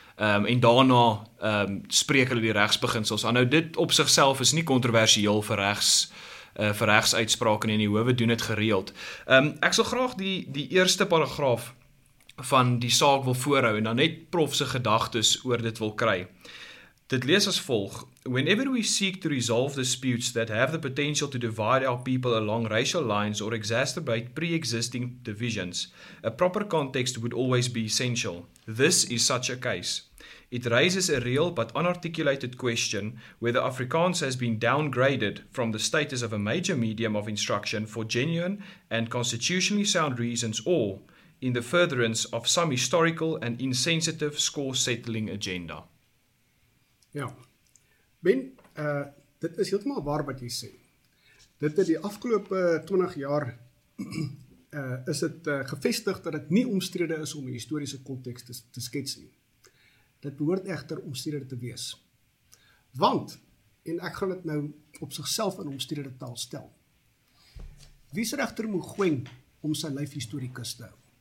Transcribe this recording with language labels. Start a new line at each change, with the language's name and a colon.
Afrikaans: En daarna spreek hulle die regsbeginsels. Nou dit op sigself is nie kontroversieel vir regsuitsprake nie, die howe doen dit gereeld. Ek sal graag die eerste paragraaf van die saak wil voorhou en dan net prof se gedagtes oor dit wil kry. Dit lees as volg:
English: Whenever we seek to resolve disputes that have the potential to divide our people along racial lines or exacerbate pre-existing divisions, a proper context would always be essential. This is such a case. It raises a real but unarticulated question whether Afrikaans has been downgraded from the status of a major medium of instruction for genuine and constitutionally sound reasons or in the furtherance of some historical and insensitive score-settling agenda.
Afrikaans: Ja, Ben, dit is heeltemal waar wat jy sê. Dit is die afgelope 20 jaar is dit gevestig dat dit nie omstrede is om die historiese konteks te skets nie. Dit behoort echter omstrede te wees. Want, en ek gaan dit nou op sigself in omstrede taal stel, wie is regter Mogoeng om sy lyf historikus te hou?